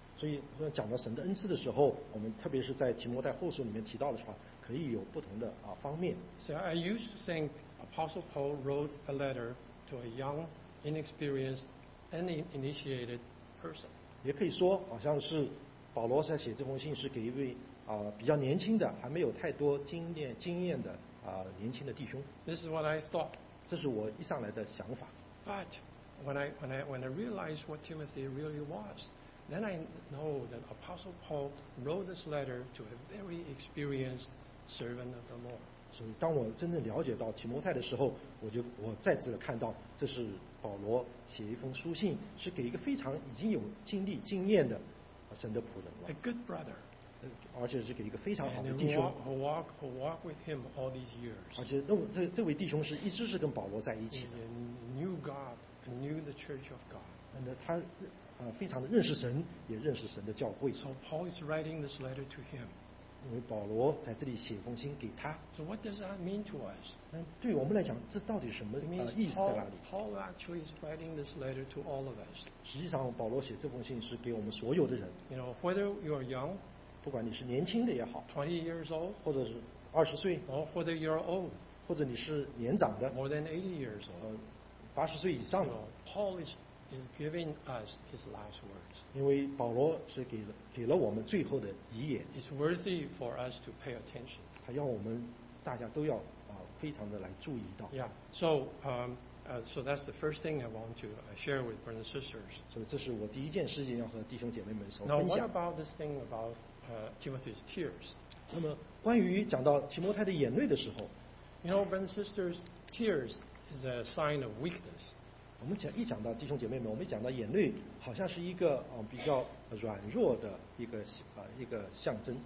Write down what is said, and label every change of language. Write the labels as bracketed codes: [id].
[zh] 所以讲到神的恩赐的时候，我们特别是在提摩太后书里面提到的时候，可以有不同的方面。 [en] So I used to think Apostle Paul wrote a letter to a young inexperienced and initiated person. [zh] 也可以说好像是保罗在写这封信是给一位比较年轻的还没有太多经验的年轻的弟兄。 [en] This is what I thought. [zh] 这是我一上来的想法。 [en] But when I realized what Timothy really was, then I know that Apostle Paul wrote this letter to a very experienced servant of the Lord. [zh] 所以当我真正了解到提摩太的时候，我再次看到这是保罗写一封书信是给一个非常已经有经历经验的神的仆人了。 [en] A good brother. [zh] 而且是给一个非常好的弟兄。 [en] And who walk with him all these years. [zh] 而且这位弟兄是一直是跟保罗在一起的。 [en] And knew God, knew the church of God. [zh] 他非常的认识神，也认识神的教会。 [en] So Paul is writing this letter to him. [zh] 因为保罗在这里写封信给他。 [en] So what does that mean to us? [zh] 那对我们来讲，这到底什么意思在哪里 [en] ？Paul actually is writing this letter to all of us. [zh] 实际上，保罗写这封信是给我们所有的人。 [en] You know, whether you are young, [zh] 不管你是年轻的也好 [en] ，20 years old, [zh] 或者是20岁 [en] ，or whether you are old, [zh] 或者你是年长的 [en] ，more than 80 years old, [zh] 80岁以上的 [en] you know, ，Paul is giving us his last words. [zh] 因为保罗是给了我们最后的遗言。 [en] It's worthy for us to pay attention. [zh] 他要我们大家都要非常的来注意到。 [en] Yeah. So that's the first thing I want to share with brothers and sisters. [zh] 所以这是我第一件事情要和弟兄姐妹们所分享。 [en] Now, what about this thing about Timothy's tears? [zh] 那么关于讲到提摩太的眼泪的时候 [en] ，You know, brothers and sisters, tears is a sign of weakness. [zh] 我们一讲到弟兄姐妹们，我们一讲到眼泪，好像是一个比较软弱的一个象征。